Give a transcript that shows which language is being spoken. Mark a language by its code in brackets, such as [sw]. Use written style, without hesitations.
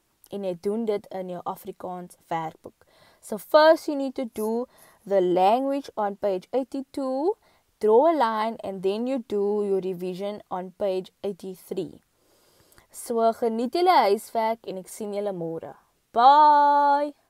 [af] En jy doen dit in jou Afrikaans werkboek. [en] So first you need to do the language on page 82, draw a line and then you do your revision on page 83. [af] So geniet julle huiswerk en ek sien julle môre. Bye!